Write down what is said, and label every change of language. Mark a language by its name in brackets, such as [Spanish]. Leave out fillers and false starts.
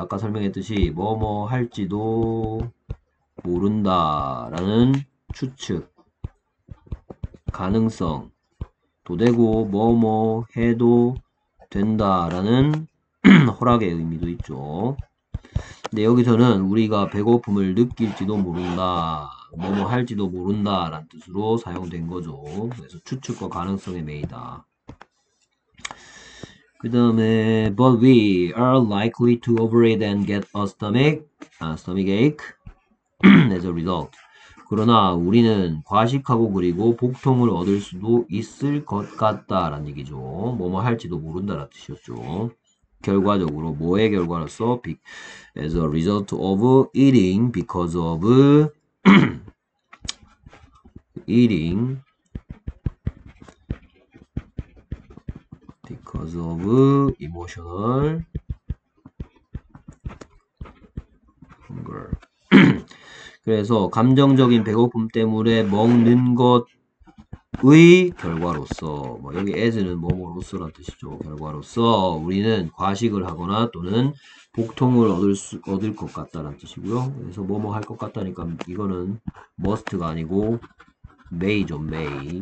[Korean] 아까 설명했듯이 뭐뭐 할지도 모른다라는 추측, 가능성, 또 되고 뭐뭐 해도 된다라는 허락의 의미도 있죠. 근데 여기서는 우리가 배고픔을 느낄지도 모른다, 뭐뭐 할지도 모른다라는 뜻으로 사용된 거죠. 그래서 추측과 가능성의 메이다. 그 다음에, [English] but we are likely to overeat and get a stomach ache as a result. [Korean] 그러나 우리는 과식하고 그리고 복통을 얻을 수도 있을 것 같다라는 얘기죠. 뭐뭐 할지도 모른다라는 뜻이었죠. 결과적으로, 뭐의 결과로서, [English] as a result of eating, because of eating, Because of emotional hunger. [Korean] 그래서 감정적인 배고픔 때문에 먹는 것의 결과로서, 뭐 여기 as는 뭐뭐로서란 뜻이죠. 결과로서 우리는 과식을 하거나 또는 복통을 얻을 것 같다는 뜻이고요. 그래서 뭐뭐 할것 같다니까 이거는 must가 아니고 may죠. may.